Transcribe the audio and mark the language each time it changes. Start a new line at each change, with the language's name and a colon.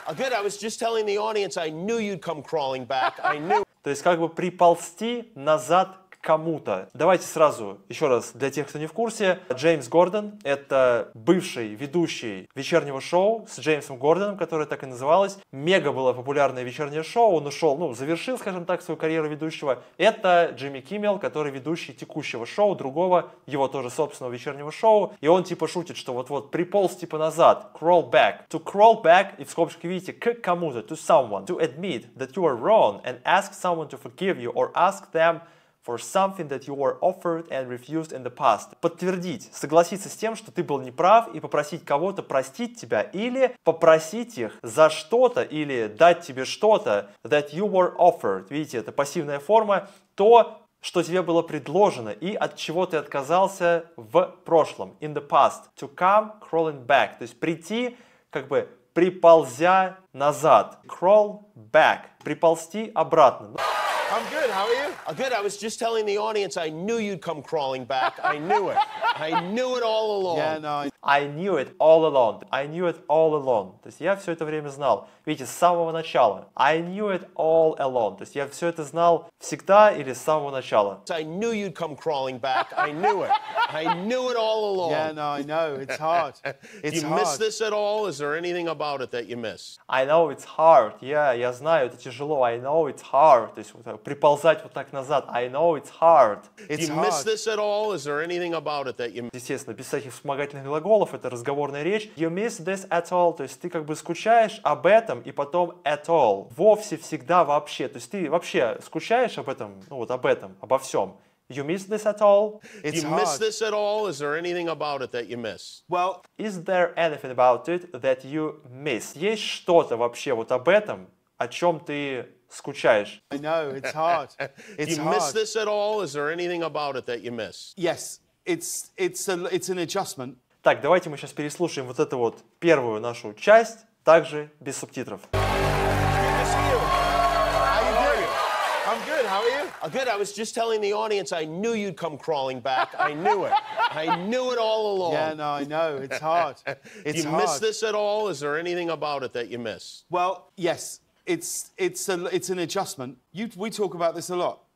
English: I'm good, I was just telling the audience I knew you'd come crawling back, I knew.
Russian: То есть как бы приползти назад к кому-то. Давайте сразу, еще раз, для тех, кто не в курсе, Джеймс Гордон, это бывший ведущий вечернего шоу с Джеймсом Гордоном, которое так и называлось. Мега было популярное вечернее шоу, он ушел, ну, завершил, скажем так, свою карьеру ведущего. Это Джимми Киммел, который ведущий текущего шоу, другого, его тоже собственного вечернего шоу. И он типа шутит, что вот-вот приполз типа назад,
English: crawl back. To crawl back,
Russian: и в скобочке видите, к кому-то,
English: to someone. To admit that you are wrong and ask someone to forgive you or ask them for something that you were offered and refused in the past.
Russian: Подтвердить, согласиться с тем, что ты был неправ, и попросить кого-то простить тебя, или попросить их за что-то, или дать тебе что-то,
English: that you were offered.
Russian: Видите, это пассивная форма. То, что тебе было предложено, и от чего ты отказался в прошлом,
English: in the past. To come crawling back.
Russian: То есть прийти, как бы приползя назад.
English: Crawl back.
Russian: Приползти обратно.
English: I'm good, how are you? I'm good, I was just telling the audience I knew you'd come crawling back. I knew it all along. Yeah, no. I knew it all along. I knew it all along.
Russian: То есть я все это время знал. Видите, с самого начала.
English: I knew it all along.
Russian: То есть я все это знал всегда или с самого начала.
English: I knew you'd come crawling back. I knew it. I knew it all along. Yeah, no, I know. It's hard. It's you hard. Miss this at all? Is there anything about it that you miss? I know it's hard. Yeah,
Russian: я знаю, это тяжело.
English: I know it's hard.
Russian: То есть вот, приползать вот так назад.
English: I know it's hard. It's you hard. Miss this at all? Is there anything about it that you miss?
Russian: Естественно, без всяких вспомогательных глаголов. Это разговорная речь.
English: You miss this at all.
Russian: То есть ты как бы скучаешь об этом и потом
English: at all.
Russian: Вовсе, всегда, вообще. То есть ты вообще скучаешь об этом, ну вот об этом, обо всем.
English: You miss this at all? It's you hard. Miss this at all? Is there anything about it that you miss? Well, is there anything about it that you miss?
Russian: Есть что-то вообще вот об этом, о чем ты скучаешь?
English: I know, it's hard. It's you hard. Miss this at all? Is there anything about it that you miss? Yes, it's an adjustment.
Russian: Так, давайте мы сейчас переслушаем вот эту вот первую нашу часть, также без субтитров.
English: I'm good, how are you? I'm good, I was just telling the audience I knew you'd come crawling back. I knew it all along. Yeah, no, I know, it's hard. It's you hard. Miss this at all? Is there anything about it that you miss? Well, yes, it's an adjustment. We talk about this a lot.